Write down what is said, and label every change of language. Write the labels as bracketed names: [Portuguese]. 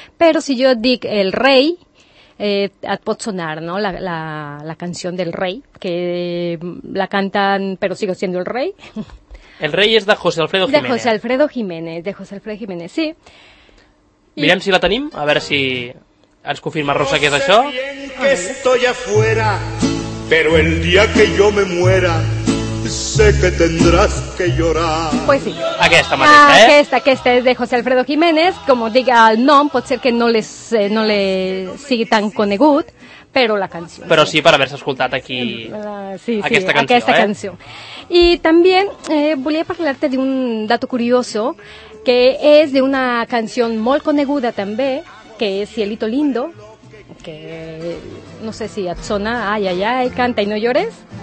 [Catalan] Però si jo dic el rei, et pot sonar, no? [Spanish] La canción del rei, que la cantan, però sigo siendo el rei. [Catalan] El rei és de José Alfredo Jiménez. De José Alfredo Jiménez, sí. Mirem si la tenim, a veure si ens confirma Rosa que és això. [Spanish] No sé que estoy afuera, pero el día que yo me muera, sé que tendrás que llorar. Pues sí. [Catalan] Aquesta mateixa, ¿eh? Aquesta és de José Alfredo Jiménez. [Spanish] Como diga [Catalan] el nom, pot ser que no le sigui tan conegut, però la canció. Però sí, per haver-se escoltat aquí aquesta canció. [Spanish] Y también [Catalan] volia parlar-te d'un dato curioso que és d'una canció molt coneguda també, que és Cielito Lindo, que no sé si et sona, [Spanish] ay, ay, ay, canta y no llores.